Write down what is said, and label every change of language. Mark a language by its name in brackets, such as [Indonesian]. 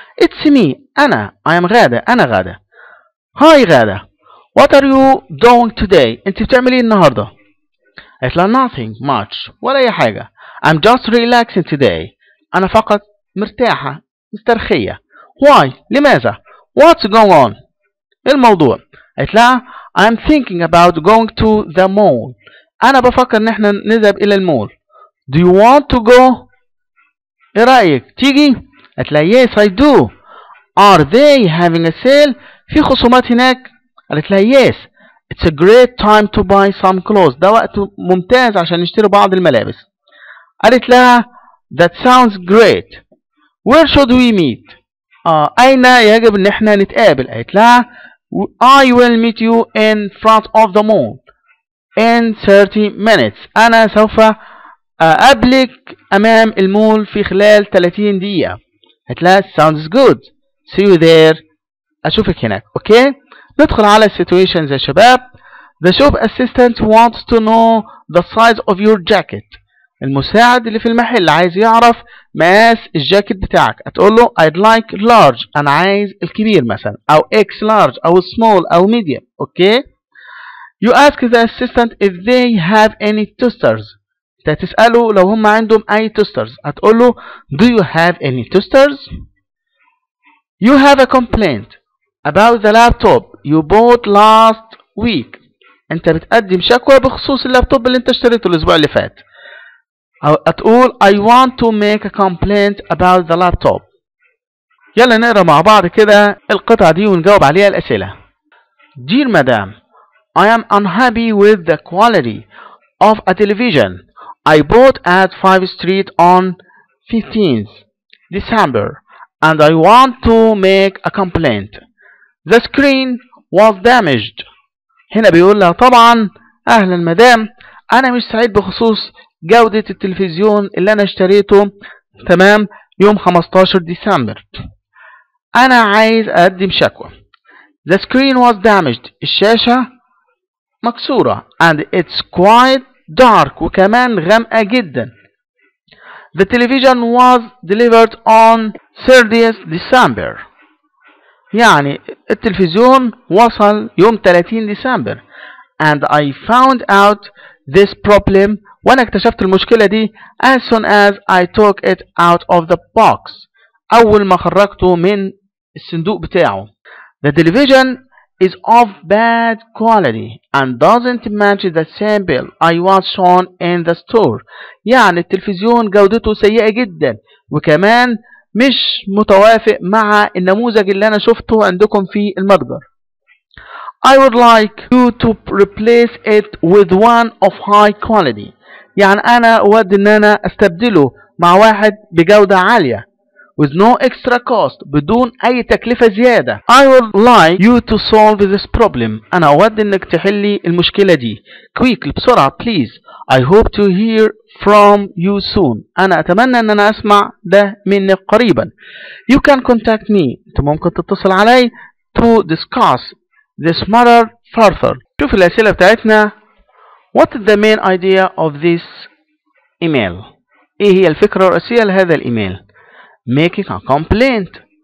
[English] It's me. [Arabic] أنا. [English] I am غادة. [Arabic] أنا غادة. [English] Hi غادة. What are you doing today؟ [Arabic] أنت بتعملي النهاردة؟ قالت لها [English] Nothing much. [Arabic] ولا أي حاجة. [English] I'm just relaxing today. [Arabic] أنا فقط مرتاحة. مسترخية. [English] Why؟ [Arabic] لماذا؟ [English] What's going on؟ [Arabic] الموضوع. قالت لها [English] I'm thinking about going to the mall. [Arabic] أنا بفكر إن إحنا نذهب إلى المول. [English] Do you want to go؟ [Arabic] إيه رأيك؟ تيجي؟ قالت لها [English] Yes I do. Are they having a sale؟ [Arabic] في خصومات هناك؟ قالت لها [English] Yes. It's a great time to buy some clothes. [Arabic] ده وقت ممتاز عشان نشتري بعض الملابس. قالت لها [English] That sounds great. Where should we meet؟ [Arabic] أين يجب إن إحنا نتقابل؟ قالت لها [English] I will meet you in front of the mall in 30 minutes. [Arabic] أنا سوف أقابلك أمام المول في خلال 30 دقيقة. قالت لها [English] sounds good. See you there. [Arabic] أشوفك هناك. أوكي؟ ندخل على situations يا شباب. [English] The shop assistant wants to know the size of your jacket. [Arabic] المساعد اللي في المحل عايز يعرف مقاس الجاكيت بتاعك. هتقول له [English] I'd like large. [Arabic] أنا عايز الكبير مثلا. أو X large أو small أو medium. [English] Okay? You ask the assistant if they have any toasters. [Arabic] تتسأله لو هم عندهم أي توسترز. هتقول له [English] Do you have any toasters? You have a complaint about the laptop you bought last week. [Arabic] أنت بتقدم شكوى بخصوص اللابتوب اللي أنت اشتريته الأسبوع اللي فات. هتقول [English] I want to make a complaint about the laptop. [Arabic] يلا نقرا مع بعض كده القطعة دي ونجاوب عليها الأسئلة. [English] Dear madam, I am unhappy with the quality of a television I bought at 5th Street on 15th December and I want to make a complaint. The screen was damaged. [Arabic] هنا بيقول لها طبعا أهلا مدام أنا مش سعيد بخصوص جودة التلفزيون اللي أنا اشتريته تمام يوم 15 ديسمبر. أنا عايز أقدم شكوى. [English] The screen was damaged. [Arabic] الشاشة مكسورة [English] and it's quite dark [Arabic] وكمان غامقة جدا. [English] The television was delivered on 30th December. [Arabic] يعني التلفزيون وصل يوم 30 ديسمبر. [English] And I found out this problem [Arabic] وأنا اكتشفت المشكلة دي [English] as soon as I took it out of the box. [Arabic] أول ما خرجته من الصندوق بتاعه. [English] The television is of bad quality and doesn't match the sample I was shown in the store. [Arabic] يعني التلفزيون جودته سيئة جدا وكمان مش متوافق مع النموذج اللي أنا شفته عندكم في المتجر. [English] I would like you to replace it with one of high quality. [Arabic] يعني أنا أود إن أنا أستبدله مع واحد بجودة عالية. [English] With no extra cost. [Arabic] بدون أي تكلفة زيادة. [English] I would like you to solve this problem. [Arabic] أنا أود إنك تحلي المشكلة دي. [English] Quick [Arabic] بسرعة [English] please. I hope to hear from you soon. [Arabic] أنا أتمنى إن أنا أسمع ده منك قريبا. [English] You can contact me. [Arabic] أنت ممكن تتصل علي [English] to discuss this matter further. [Arabic] شوف الأسئلة بتاعتنا. [English] What is the main idea of this email? [Arabic] إيه هي الفكرة الرئيسية لهذا الإيميل؟ [English] Making a complaint.